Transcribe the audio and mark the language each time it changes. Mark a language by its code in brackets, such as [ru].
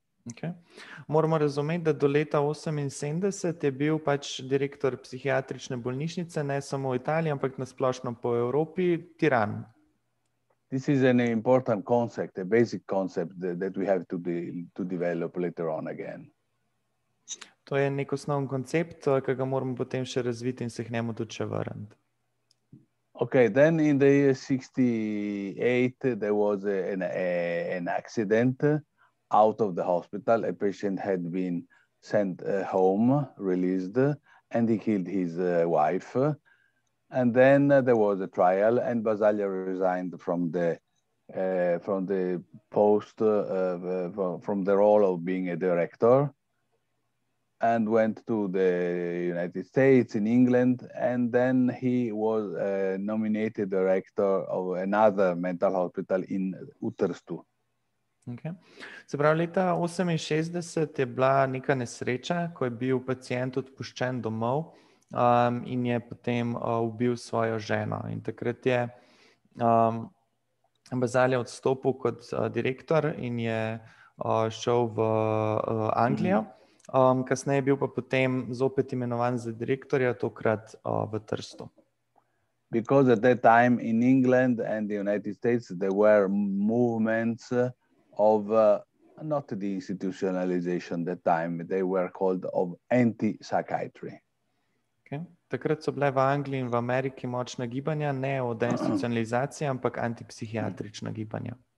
[sl] Okay. Moramo razumeti, da do leta 78 je bil pač direktor psihiatrične bolnišnice, ne samo v Italiji, ampak nasplošno po Evropi, tiran. [en] This is an important concept, a basic concept that we have to develop later on again. [sl] To je nek osnovni koncept, ki ga moramo potem še razviti in se k njemu tudi še vrniti. [en] Okay, then in the year 68 there was an accident out of the hospital. A patient had been sent home, released, and he killed his wife. And then there was a trial and Basaglia resigned from the from the post from the role of being a director, and went to the United States in England, and then he was nominated director of another mental hospital in Utrstu. Okay. [sl] Se pravi, leta 68 je bila neka nesreča, ko je bil pacijent odpuščen domov in je potem ubil svojo ženo. In takrat je Bazalja odstopil kot direktor in je šel v Anglijo. Kasneje je bil pa potem zopet imenovan za direktorja, tokrat v Trstu. [en] Because at that time in England and the United States there were movements of not the institutionalization at that time, they were called of anti-psychiatry. [sl] Okay. Takrat so bile v Angliji in v Ameriki močna gibanja, ne o deinstitucionalizaciji, ampak antipsihiatrična gibanja.